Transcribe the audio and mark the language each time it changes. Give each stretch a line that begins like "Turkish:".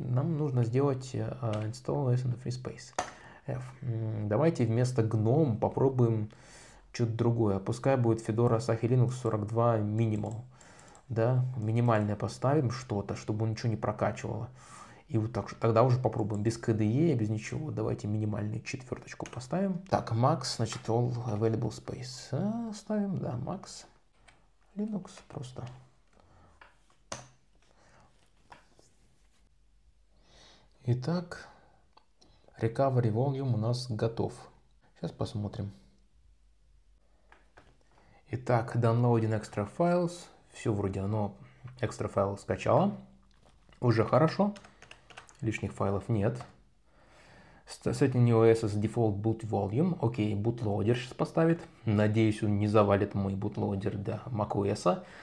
Russian: Нам нужно сделать
English: install as in the free space. F.
Russian: Давайте вместо GNOME попробуем что-то другое. Пускай будет Fedora Asahi Linux 42 minimal. Да, минимальное поставим что-то, чтобы ничего не прокачивало. И вот так же. Тогда уже попробуем без KDE, без ничего. Давайте минимальную четверточку поставим.
English: Так, max, значит, all available space.
Russian: Ставим, да, max. Linux просто. Итак, recovery volume у нас готов. Сейчас посмотрим.
English: Итак, downloading extra files.
Russian: Все вроде оно extra files скачало. Уже хорошо. Лишних файлов нет.
English: Setting new OS as default boot volume.
Russian: Окей, bootloader сейчас поставит. Надеюсь, он не завалит мой bootloader до macOS.